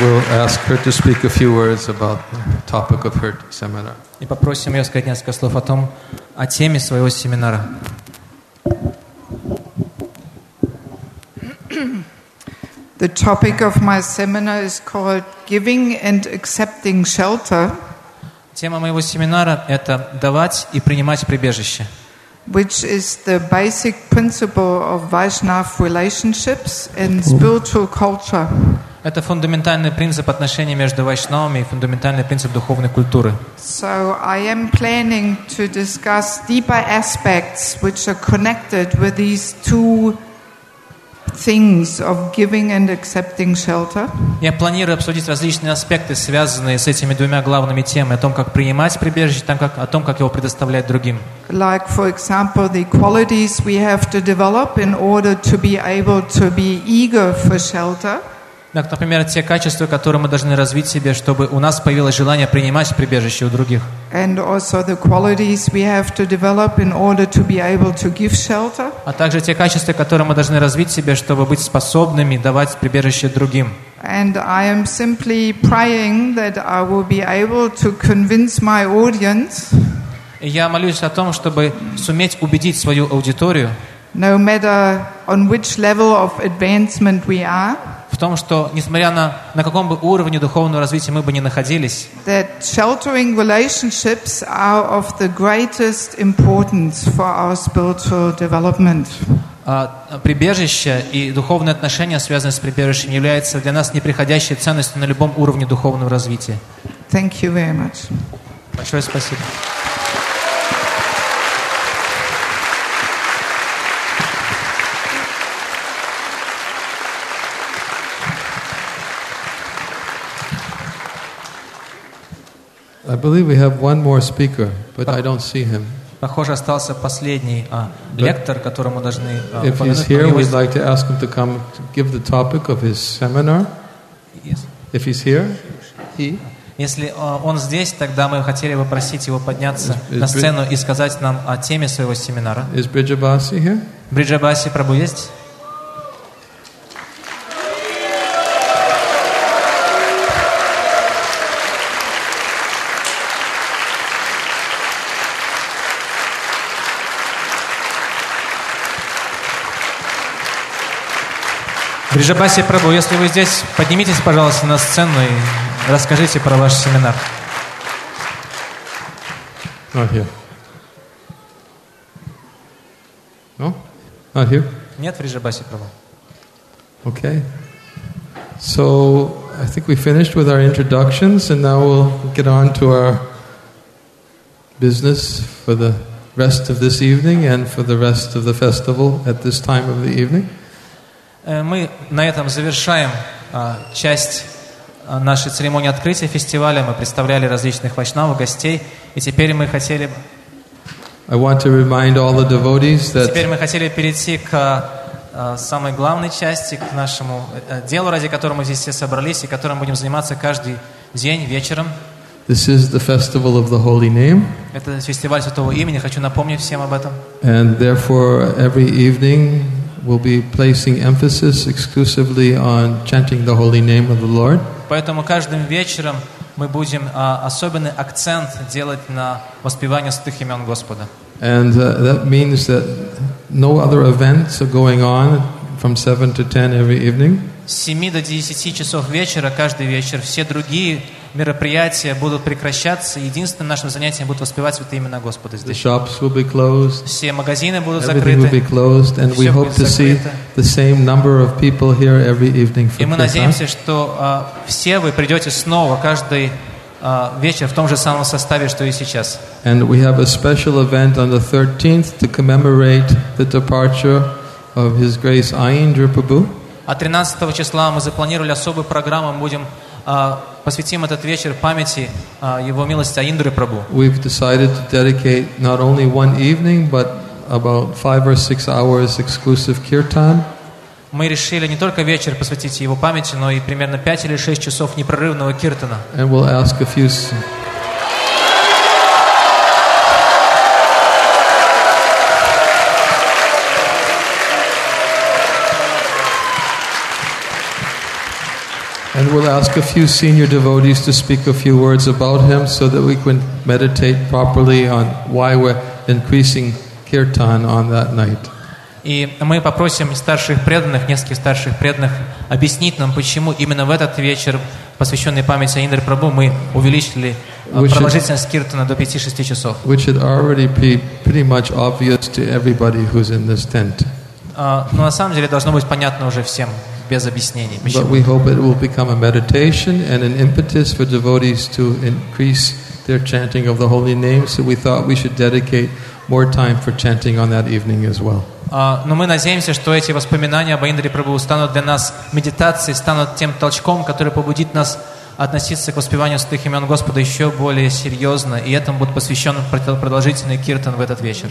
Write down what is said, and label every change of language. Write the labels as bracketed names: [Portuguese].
[English] Ask her to speak a few words about the topic of her seminar. [Russian] И попросим её сказать несколько слов о том, о теме своего семинара. [English] The topic of my seminar is called giving and accepting shelter. [Russian] Тема моего семинара это давать и принимать прибежище. [English] Which is the basic principle of Vaishnav relationships and spiritual culture. [Russian] Это фундаментальный принцип отношений между вайшнавами и фундаментальный принцип духовной культуры. [English] So I am planning to discuss deeper aspects which are connected with these two things of giving and accepting shelter. [Russian] Я планирую обсудить различные аспекты, связанные с этими двумя главными темами, о том, как принимать прибежище, там как о том, как его предоставлять другим. [English] Like, for example, the qualities we have to develop in order to be able to be eager for shelter. [Russian] Например, те качества, которые мы должны развить в себе, чтобы у нас появилось желание принимать прибежище у других. [English] And also the qualities we have to develop in order to be able to give shelter. [Russian] А также те качества, которые мы должны развить в себе, чтобы быть способными давать прибежище другим. [English] And I am simply praying that I will be able to convince my audience. [Russian] Я молюсь о том, чтобы суметь убедить свою аудиторию. [English] No matter on which level of advancement we are. [Russian] В том, что, несмотря на каком бы уровне духовного развития мы бы ни находились, [English] that sheltering relationships are of the greatest importance for our spiritual development. [Russian] Прибежище и духовные отношения, связанные с прибежищем, являются для нас непреходящей ценностью на любом уровне духовного развития. [English] Thank you very much. [Russian] Большое спасибо. [English] I believe we have one more speaker, but I don't see him. [Russian] Похоже, остался последний лектор, которому должны. [English] If he's here, we'd like to ask him to come to give the topic of his seminar. Yes. If he's here, he. [Russian] Если он здесь, тогда мы хотели бы просить его подняться на сцену и сказать нам о теме своего семинара. [English] Is Bridjabasi here? [Russian] Bridjabasi, Prabhu, есть? Бриджабаси Прабху, если вы здесь, поднимитесь, пожалуйста, на сцену и расскажите про ваш семинар. [English] Not here. No? Not here? Нет, Бриджабаси Прабху. Okay. So, I think we finished with our introductions, and now we'll get on to our business for the rest of this evening and for the rest of the festival at this time of the evening. [Russian] Мы на этом завершаем часть нашей церемонии открытия фестиваля. Мы представляли различных вайшнавов, гостей. И теперь мы хотели [English] I want to remind all the devotees that [Russian] теперь мы хотели перейти к самой главной части, к нашему делу, ради которого мы здесь все собрались и которым будем заниматься каждый день, вечером. [English] This is the festival of the Holy Name. [Russian] Это фестиваль Святого Имени. Хочу напомнить всем об этом. [English] And therefore, every evening we'll be placing emphasis exclusively on chanting the holy name of the Lord. [Russian] Поэтому каждым вечером мы будем особенный акцент делать на воспевание святых имен Господа. [English] And that means that no other events are going on from 7 to 10 every evening. [Russian] С 7 до 10 часов вечера каждый вечер все другие мероприятия будут прекращаться. Единственное наше занятие будет воспевать святые имена Господа здесь. [English] The shops will be closed. [Russian] Все магазины будут [English] Everything Will be closed, and [Russian] Все [English] we hope [Russian] будет [English] to see the same number of people here every evening for [Russian] И мы надеемся, что все вы придете снова каждый вечер в том же самом составе, что и сейчас. [English] And we have a special event on the 13th to commemorate the departure of His Grace Aindra Prabhu. [Russian] А 13 числа мы запланировали особую программу, мы будем посвятим этот вечер памяти Его милости Аиндры Прабху. [English] We've decided to dedicate not only one evening, but about 5 or 6 hours exclusive kirtan. [Russian] Мы решили не только вечер посвятить Его памяти, но и примерно 5 или 6 часов непрерывного киртана. [English] And we'll ask a few. And we'll ask a few senior devotees to speak a few words about him so that we can meditate properly on why we're increasing kirtan on that night. [Russian] И мы попросим старших преданных, нескольких старших преданных, объяснить нам, почему именно в этот вечер, посвященный памяти Аиндры Прабху, мы увеличили продолжительность киртана до 5-6 часов. [English] Which should already be pretty much obvious to everybody who's in this tent. [Russian] Но на самом деле должно быть понятно уже всем. Без объяснений. [English] But we hope it will become a meditation and an impetus for devotees to increase their chanting of the holy name. So we thought we should dedicate more time for chanting on that evening as well. [Russian] Но мы надеемся, что эти воспоминания об Аиндре Прабху станут для нас медитацией, станут тем толчком, который побудит нас относиться к воспеванию святых имен Господа еще более серьезно, и этому будет посвящен продолжительный киртан в этот вечер.